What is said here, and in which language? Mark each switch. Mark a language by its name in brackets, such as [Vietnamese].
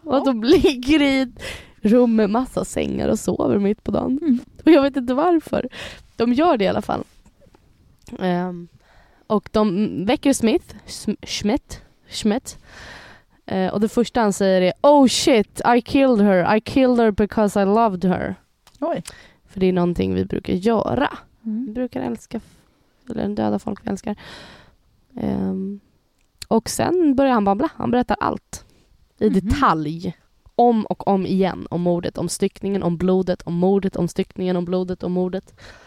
[Swedish] Och de ligger i ett rum med massa sängar och sover mitt på dagen. Mm. Och jag vet inte varför. De gör det i alla fall. Och de väcker Schmidt. Och det första han säger är, [English] "Oh shit, I killed her. I killed her because I loved her." [Swedish] Oj. För det är någonting vi brukar göra. Mm. Vi brukar älska eller döda folk vi älskar. Och sen börjar han babbla. Han berättar allt. I detalj. Om och om igen. Om mordet, om styckningen, om blodet, om mordet, om styckningen, om blodet, om mordet.